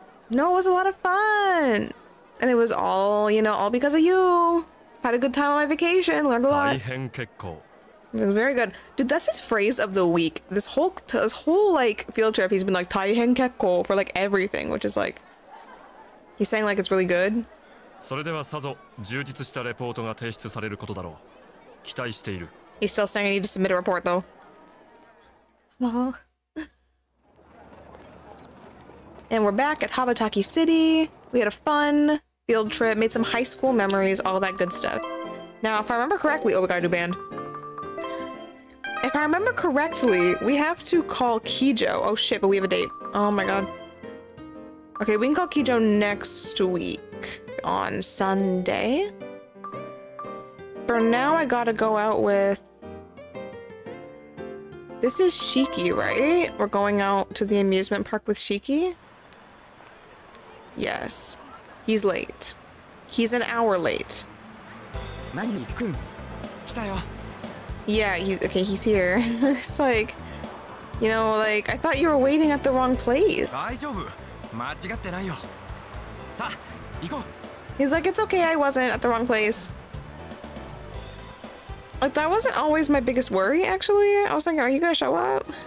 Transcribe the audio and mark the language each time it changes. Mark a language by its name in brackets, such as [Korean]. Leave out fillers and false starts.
[English] No, it was a lot of fun. And it was all, you know, all because of you. Had a good time on my vacation, learned a lot. [Japanese] 大変結構. [English] It was very good. Dude, that's his phrase of the week. This whole like field trip, he's been like [Japanese] 大変結構 [English] for like everything, which is like, he's saying like it's really good. [Japanese] それではさぞ充実したレポートが提出されることだろう。期待している。 [English] He's still saying I need to submit a report though. And we're back at Habataki City. We had a fun field trip, made some high school memories, all that good stuff. Now, if I remember correctly, oh, we got a new band. If I remember correctly, we have to call Kijo. Oh shit, but we have a date. Oh my god. Okay, we can call Kijo next week. On Sunday. For now, I gotta go out with. This is Shiki, right? We're going out to the amusement park with Shiki. Yes, he's late. He's an hour late. [Japanese] Magi-kun, kita yo. [English] Yeah, he's here. It's like, you know, like I thought you were waiting at the wrong place. [Japanese] 大丈夫、間違ってないよ. さ、 行こう. [English] He's like, it's okay, I wasn't at the wrong place. Like, that wasn't always my biggest worry, actually. I was thinking, are you gonna show up?